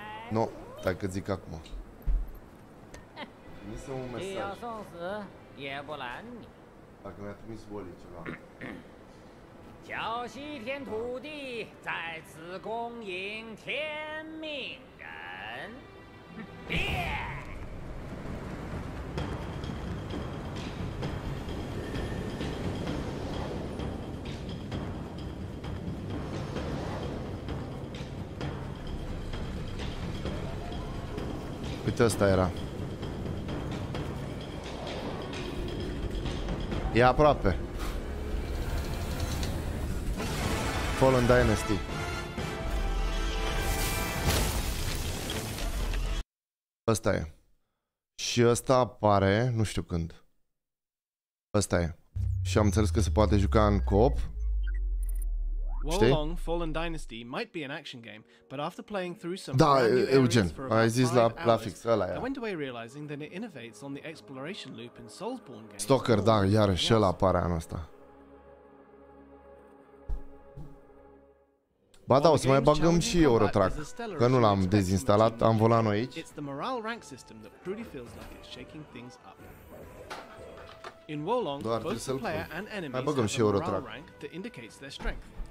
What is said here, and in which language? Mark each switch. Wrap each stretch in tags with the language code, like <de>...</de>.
<ro>Nu, stai că-ți zic acum. Trimise un mesaj. Dacă mi-a trimis Wally ceva.</ro> <zh>小西天土地在此恭迎天命人</zh> <ro>Uite ăsta era. E aproape. Fallen Dynasty. Ăsta e. Și ăsta apare, nu știu când. Ăsta e. Și am înțeles că se poate juca în co-op.</ro> <en>Wolong Fallen Dynasty might be an action game, but after playing through some</en> <ro>Da, Eugen, ai zis la fix ăla</ro> <en>e. I went away realizing that it innovates on the exploration loop in Soulsborne games.</en> <ro>Stalker, da, iarăși ăla apare anul ăsta. Ba da, o să mai bagăm și Eurotrack, că nu l-am dezinstalat, am volanul aici.</ro> <en>It's the morale rank system that truly feels like it's shaking things up. In Wolong, both the player and enemies have a morale rank that indicates their strength.</en>